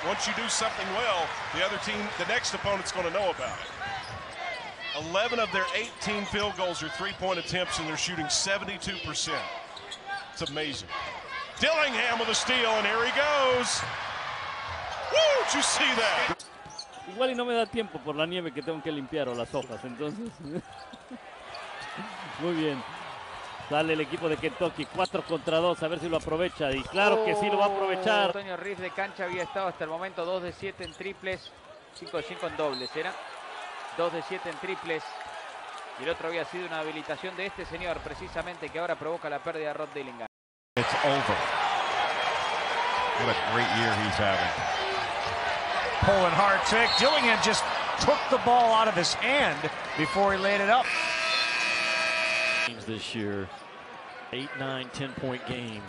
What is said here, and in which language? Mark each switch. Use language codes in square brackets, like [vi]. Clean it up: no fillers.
[en] Once you do something well, the other team, the next opponent's going to know about it. 11 of their 18 field goals are three-point attempts, and they're shooting 72%. It's amazing. Dillingham with a steal, and here he goes. Woo, did you see that? [es] Igual y no me da tiempo por la nieve que tengo que limpiar o las hojas, entonces. Muy bien. Sale el equipo de Kentucky, 4 contra 2, a ver si lo aprovecha. Y claro que sí lo va a aprovechar. Antonio Reeves de cancha había estado hasta el momento 2 de 7 en triples, 5 de 5 en dobles, ¿era? 2 de 7 en triples. Y el otro había sido una habilitación de este señor, precisamente, que ahora provoca la pérdida de Rod Dillingham. [en] It's over. What a great year he's having. pulling hard trick. Dillingham just took the ball out of his hand before he laid it up. Games this year, 8, 9, 10-point games.